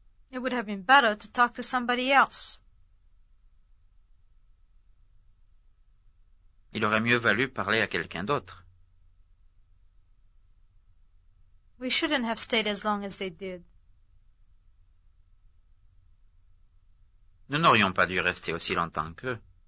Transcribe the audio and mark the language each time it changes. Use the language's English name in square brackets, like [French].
[English] It would have been better to talk to somebody else. [French] Il aurait mieux valu parler à quelqu'un d'autre. [English] We shouldn't have stayed as long as they did. [French] Nous n'aurions pas dû rester aussi longtemps qu'eux.